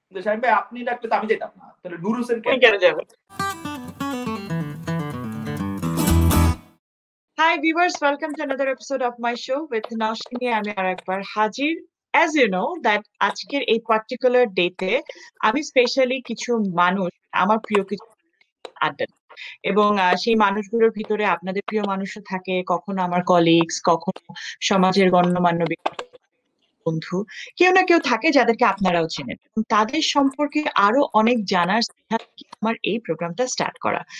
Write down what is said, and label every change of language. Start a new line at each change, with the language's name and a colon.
Bangla: শাহিম ভাই আপনি ডাকলে তো আমি যেতাম না, তাহলে নূর হোসেন কেন?
English: Hi viewers, welcome to another episode of my show with Naushini.
Bangla: আমি আরেকবার হাজির.
English: As you know that
Bangla: আজকের এই পার্টিকুলার ডেতে আমি স্পেশালি কিছু মানুষ, আমার প্রিয় কিছু আড্ডা, এবং সেই মানুষগুলোর ভিতরে আপনাদের প্রিয় মানুষও থাকে, কখনো আমার কলিগস, কখনো সমাজের গণ্যমান্য বন্ধু, কেউ না কেউ থাকে যাদেরকে আপনারাও চেনেন, তাদের সম্পর্কে আরো অনেক জানার আমার এই প্রোগ্রামটা স্টার্ট করা।